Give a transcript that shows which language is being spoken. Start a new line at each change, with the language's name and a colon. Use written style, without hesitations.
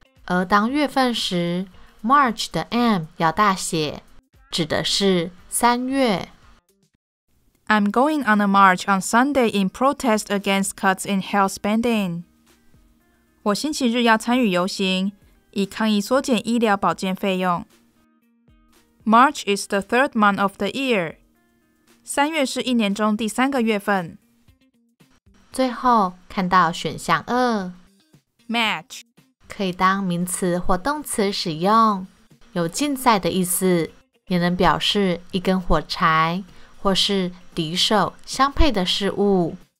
Chinese: 而当月份时 March 的 M 要大写，指的是三月。
English: I'm going on a march on Sunday in protest against cuts in health spending.
Chinese: 我星期日要参与游行，以抗议缩减医疗保健费用。
English: March is the third month of the year.
Chinese: 三月是一年中第三个月份。最后看到选项二
English: ，Match
Chinese: 可以当名词或动词使用，有竞赛的意思，也能表示一根火柴或是敌手相配的事物。